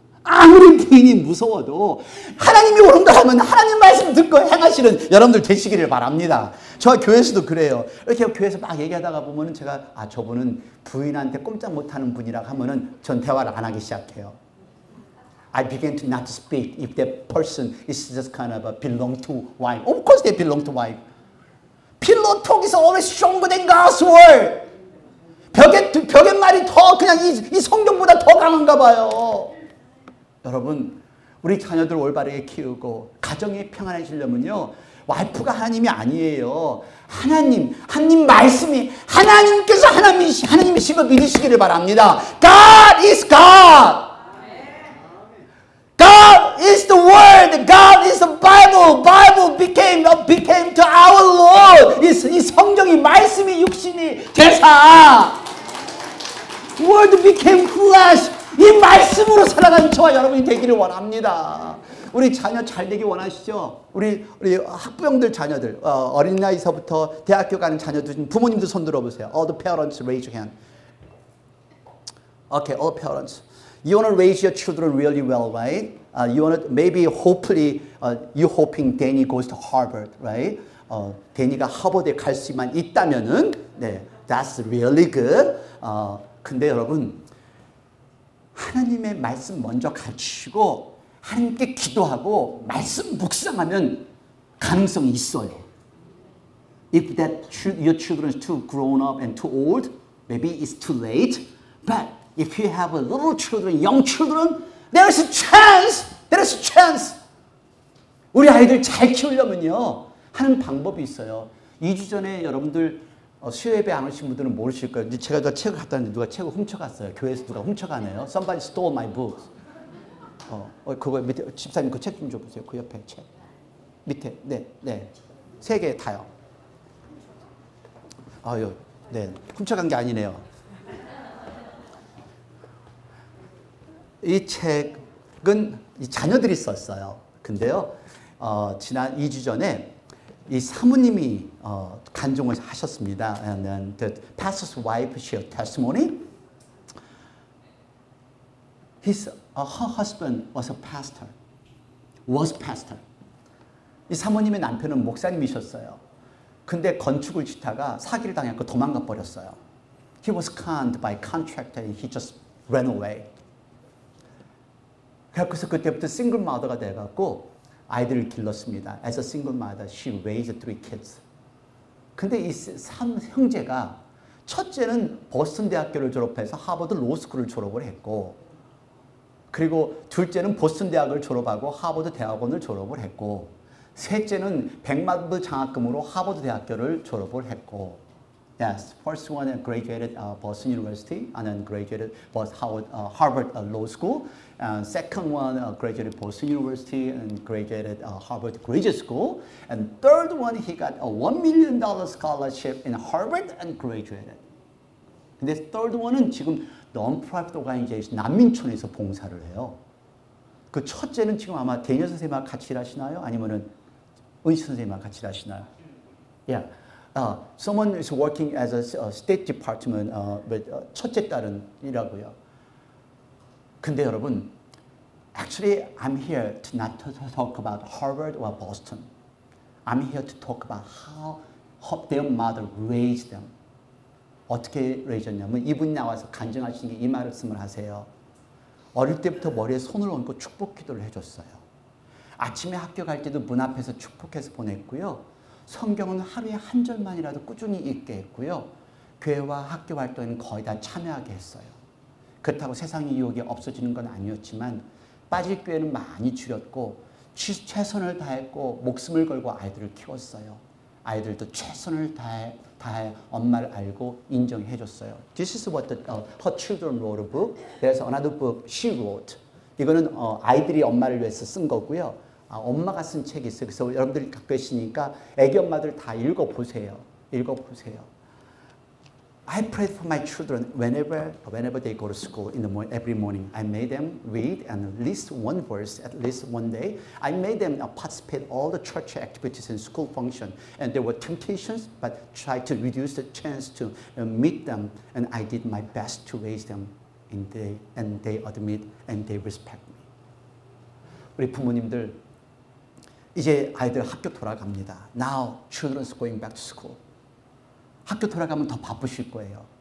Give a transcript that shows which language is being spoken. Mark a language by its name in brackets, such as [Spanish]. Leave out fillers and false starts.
[Korean] 아무리 부인이 무서워도, 하나님이 옳은다 하면 하나님 말씀 듣고 행하시는 여러분들 되시기를 바랍니다. 저 교회에서도 그래요. 이렇게 교회에서 막 얘기하다가 보면은 제가, 아, 저분은 부인한테 꼼짝 못하는 분이라고 하면은 전 대화를 안 하기 시작해요. [English] I begin to not speak if that person is just kind of a belong to wife. Of course they belong to wife. Pillow talk is always stronger than God's word. [Korean] 벽의 말이 더 그냥 이 성경보다 더 강한가 봐요. 여러분, 우리 자녀들 올바르게 키우고 가정이 평안해지려면요. 와이프가 하나님이 아니에요. 하나님 말씀이 하나님께서 하나님이신 걸 믿으시기를 바랍니다. [English] God is God. God is the Word. God is the Bible. Bible became to our Lord. [Korean] 이 성경이 말씀이 육신이 되사. [English] Word became flesh. [Korean] 이 말씀으로 살아가는 저와 여러분이 되기를 원합니다. 우리 자녀 잘 되기 원하시죠? 우리 학부형들 자녀들, 어린 나이서부터 대학교 가는 자녀들, 부모님들 손 들어보세요. [English] All the parents raise your hand. Okay, all parents. You want to raise your children really well, right? You want to, maybe, hopefully, you hoping Danny goes to Harvard, right? [Korean] Danny가 하버드에 갈 수만 있다면은, 네, [English] that's really good. [Korean] 근데 여러분, 하나님의 말씀 먼저 가르치시고, 하나님께 기도하고, 말씀 묵상하면 가능성이 있어요. [English] If that your children is too grown up and too old, maybe it's too late, but if you have a little children, young children, there is a chance. There is a chance. [Korean] 우리 아이들 잘 키우려면요 하는 방법이 있어요. 2주 전에 여러분들 수요예배 안 오신 분들은 모르실 거예요. 제가 누가 책을 갖다 놨는데 누가 책을 훔쳐갔어요. 교회에서 누가 훔쳐가네요. [English] Somebody stole my books. [Korean] 그거 밑에 집사님 그 책 좀 줘보세요. 그 옆에 책 밑에 네 세 개 다요. 아유, 네, 훔쳐간 게 아니네요. 이 책은 이 자녀들이 썼어요. 근데요, 지난 2주 전에 이 사모님이 간증을 하셨습니다. [English] And then the pastor's wife shared testimony. Her husband was a pastor. Was pastor. [Korean] 이 사모님의 남편은 목사님이셨어요. 근데 건축을 짓다가 사기를 당했고 도망가 버렸어요. [English] He was conned by contractor and he just ran away. [Korean] 그래서 그때부터 싱글 마더가 돼갖고 아이들을 길렀습니다. [English] As a single mother, she raised three kids. [Korean] 근데 이 삼 형제가 첫째는 보스턴 대학교를 졸업해서 하버드 로스쿨을 졸업을 했고 그리고 둘째는 보스턴 대학을 졸업하고 하버드 대학원을 졸업을 했고 셋째는 100만 불 장학금으로 하버드 대학교를 졸업을 했고 [English] Yes, first one graduated Boston University and then graduated Harvard Law School. Second one graduated Boston University and graduated Harvard Graduate School. And third one, he got a $1 million scholarship in Harvard and graduated. [Korean] 근데 third one은 지금 [English] non-profit organization [Korean] 난민촌에서 봉사를 해요. 그 첫째는 지금 아마 대니어 선생님하고 같이 일하시나요? 아니면은 은희 선생님하고 같이 일하시나요? [English] Yeah. Someone is working as a state department with [Korean] 첫째 딸은 일하고요. 근데 여러분, [English] actually I'm here to not to talk about Harvard or Boston. I'm here to talk about how their mother raised them. [Korean] 어떻게 레이졌냐면 이분이 나와서 간증하신 게 이 말씀을 하세요. 어릴 때부터 머리에 손을 얹고 축복 기도를 해줬어요. 아침에 학교 갈 때도 문 앞에서 축복해서 보냈고요. 성경은 하루에 한 절만이라도 꾸준히 읽게 했고요. 교회와 학교 활동은 거의 다 참여하게 했어요. 그렇다고 세상의 유혹이 없어지는 건 아니었지만 빠질 교회는 많이 줄였고 최선을 다했고 목숨을 걸고 아이들을 키웠어요. 아이들도 최선을 다해 엄마를 알고 인정해줬어요. [English] This is what her children wrote a book. There's another book she wrote. [Korean] 이거는 아이들이 엄마를 위해서 쓴 거고요. 아, 엄마가 쓴 책이 있어요. 그래서 여러분들이 갖고 계시니까 애기 엄마들 다 읽어보세요. 읽어보세요. [English] I prayed for my children whenever they go to school in the morning, every morning. I made them read and at least one verse at least one day. I made them participate all the church activities and school function. And there were temptations, but tried to reduce the chance to meet them. And I did my best to raise them in the, and they admit and they respect me. [Korean] 우리 부모님들, 이제 아이들 학교 돌아갑니다. [English] Now children's going back to school. [Korean] 학교 돌아가면 더 바쁘실 거예요.